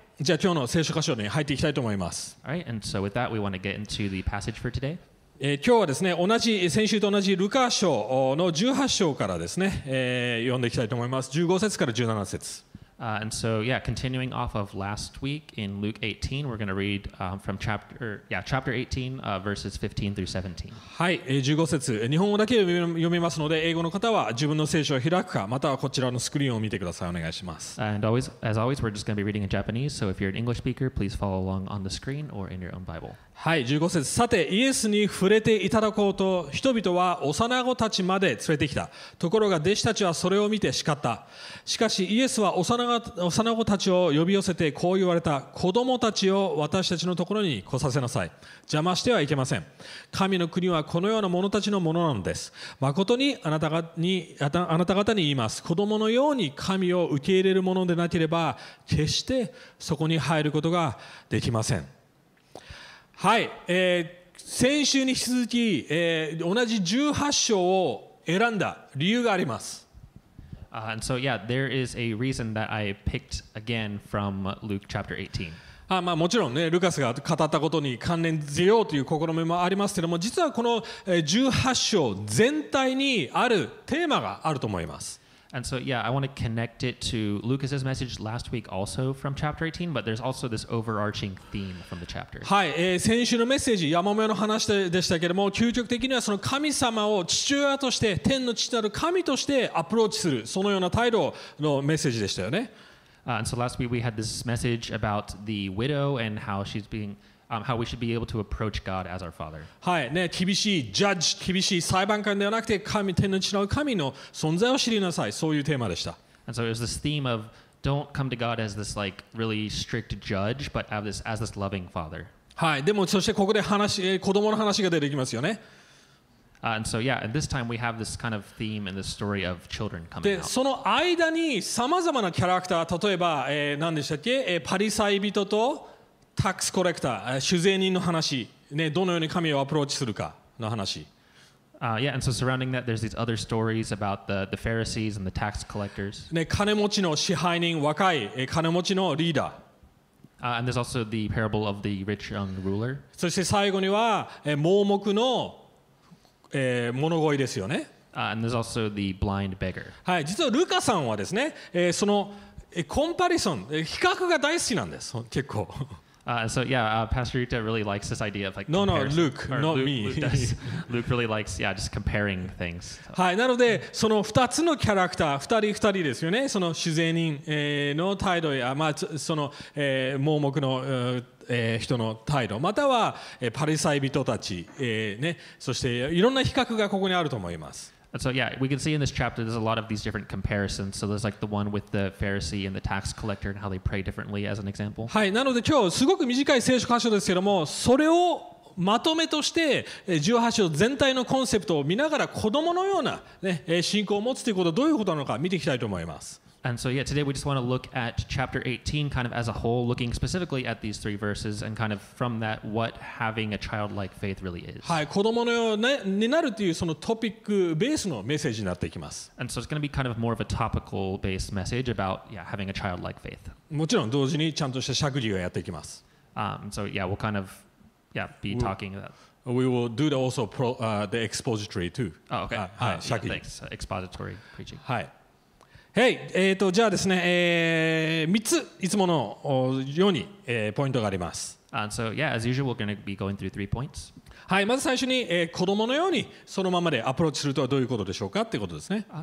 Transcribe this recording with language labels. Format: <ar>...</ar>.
<ja>じゃあ今日の聖書箇所に入っていきたいと思います。</ja> <en>All right, and so with that, we want to get into the passage for today.</en> <ja>今日はですね、同じ先週と同じルカ書の18章からですね、読んでいきたいと思います。 15節から17節。</ja> <en>And so, yeah, continuing off of last week in Luke 18, we're going to read from chapter 18, verses 15 through 17.</en> <ja>はい、15節。日本語だけ読みますので、英語の方は自分の聖書を開くか、またはこちらのスクリーンを見てください。お願いします。</ja> <en>And always, as always, we're just going to be reading in Japanese, so if you're an English speaker, please follow along on the screen or in your own Bible.</en> <ja>はい、15節。さて、イエスに触れていただこうと、人々は幼子たちまで連れてきた。ところが、弟子たちはそれを見て叱った。しかし、イエスは幼子たちを呼び寄せてこう言われた。子供たちを私たちのところに来させなさい。邪魔してはいけません。神の国はこのような者たちのものなのです。誠にあなた方に言います、子供のように神を受け入れるものでなければ決してそこに入ることができません。はい、先週に引き続き、同じ18章を選んだ理由があります。</ja> <en>And so, yeah, there is a reason that I picked again from Luke chapter 18.</en> <ja>まあもちろんね、ルカスが語ったことに関連づけようという試みもありますけども、実はこの18章全体にあるテーマがあると思います。</ja> <en>And so, yeah, I want to connect it to Lucas's message last week also from chapter 18, but there's also this overarching theme from the chapter.</en> <ja>はい、先週のメッセージ、ヤモメの話でしたけれども、究極的にはその神様を父親として、天の父なる神としてアプローチする、そのような態度のメッセージでしたよね。</ja> <en>And so last week we had this message about the widow and how she's being... how we should be able to approach God as our Father.</en> <ja>はい、ね、厳しいジャッジ、厳しい裁判官ではなくて、神、天の父なる神の存在を知りなさい、そういうテーマでした。</ja> <en>And so it was this theme of don't come to God as this like really strict judge, but as this loving Father.</en> <ja>はい、でもそしてここで話、子供の話が出てきますよね。</ja> <en>And so yeah, at this time we have this kind of theme in the story of children coming で、 out.</en> <ja>で、その間にさまざまなキャラクター、例えば、何でしたっけ、パリサイ人と。タックスコレクター、主税人の話、ね、どのように神をアプローチするかの話。</ja> <en>Yeah, and so surrounding that, there's these other stories about the Pharisees and the tax collectors.</en> <ja>ね、金持ちの支配人、若い金持ちのリーダー。</ja> <en>And there's also the parable of the rich young ruler.</en> <ja>そして最後には、盲目の、物乞いですよね。</ja> <en>And there's also the blind beggar.</en> <ja>はい、実はルカさんはですね、そのコンパリソン、比較が大好きなんです、結構。</ja> <en>So yeah, Pastor Rita really likes this idea of like comparison. No, Luke, not Luke, me. Luke really likes, yeah, just comparing things.</en> <ja>はい、なのでその2つのキャラクター、2人ですよね。その主税人の態度や、まあその盲目の人の態度、またはパリサイ人たちね、そしていろんな比較がここにあると思います。</ja> <en>So yeah, we can see in this chapter there's a lot of these different comparisons. So there's like the one with the Pharisee and the tax collector and how they pray differently as an example.</en> <ja>はい、なので今日すごく短い聖書箇所ですけども、それをまとめとして18章全体のコンセプトを見ながら子供のような、ね、信仰を持つということはどういうことなのか見ていきたいと思います。</ja> <en>And so yeah, today we just want to look at chapter 18 kind of as a whole, looking specifically at these three verses and kind of from that what having a childlike faith really is.</en> <ja>はい、子供のようになるというそのトピックベースのメッセージになっていきます。</ja> <en>And so it's going to be kind of more of a topical based message about yeah, having a childlike faith.</en> <ja>もちろん同時にちゃんとした釈義をやっていきます。</ja> <en>So yeah, we'll kind of yeah, be talking about We will do the also pro, the expository too. Oh, okay.</en> <ja>はい、釈義。</ja> <en>Thanks. Expository preaching.</en> <ja>はい。 Hey, じゃあですね、3ついつものように、ポイントがあります。</ja> <en>So, yeah, as usual, we're going to be going through three points.</en> <ja>はい、まず最初に、子供のようにそのままでアプローチするとはどういうことでしょうかってことですね。</ja>